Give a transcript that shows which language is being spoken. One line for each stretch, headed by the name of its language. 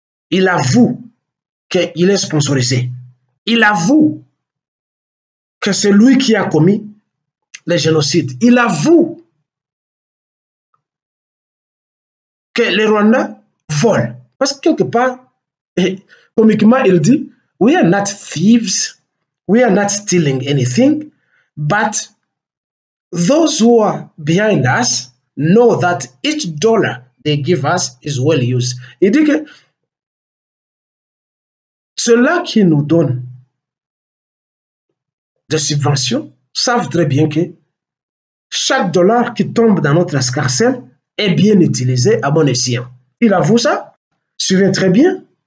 French: Il avoue qu'il est sponsorisé. Il avoue que c'est lui qui a commis le génocide. Il avoue que les Rwandais volent. Parce que quelque part, comiquement, il dit.
English: We are not thieves, we are not stealing anything, but those who are behind us know that each dollar they give us is well used.
French: Il dit que ceux-là qui nous donnent des subventions savent très bien que chaque dollar qui tombe dans notre escarcelle est bien utilisé à bon escient. Il avoue ça? Suivez très bien.